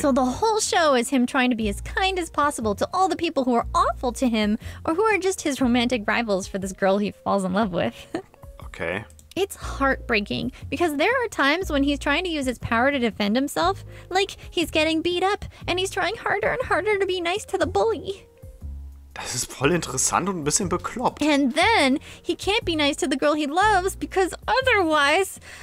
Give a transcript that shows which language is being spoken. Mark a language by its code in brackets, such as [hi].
[en] So the whole show is him trying to be as kind as possible to all the people who are awful to him or who are just his romantic rivals for this girl he falls in love with. Okay. It's heartbreaking because there are times when he's trying to use his power to defend himself. Like, he's getting beat up and he's trying harder and harder to be nice to the bully. [de] Das ist voll interessant und ein bisschen bekloppt. [en] And then, he can't be nice to the girl he loves, because otherwise...